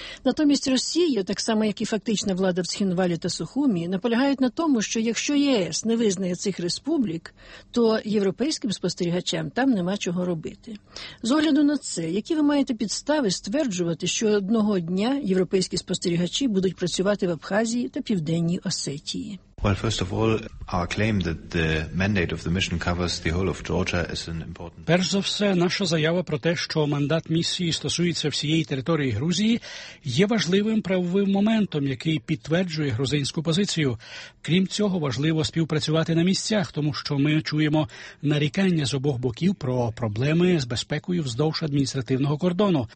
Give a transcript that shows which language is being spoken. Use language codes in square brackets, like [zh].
[uk] Натомість Росія, так само як і фактична влада в Цхінвалі та Сухумі, наполягають на тому, що якщо ЄС не визнає цих республік, то європейським спостерігачам там нема чого робити. З огляду на це, які ви маєте підстави стверджувати, що одного дня європейські спостерігачі будуть працювати в Абхазії та Південній Осетії? [en] Well, first of all, our claim that the mandate of the mission covers the whole of Georgia is an important. [uk] Перш за все, наша заява про те, що мандат місії стосується всієї території Грузії, є важливим правовим моментом, який підтверджує грузинську позицію. Крім цього, важливо співпрацювати на місцях, тому що ми чуємо нарікання з обох боків про проблеми з безпекою вздовж адміністративного кордону.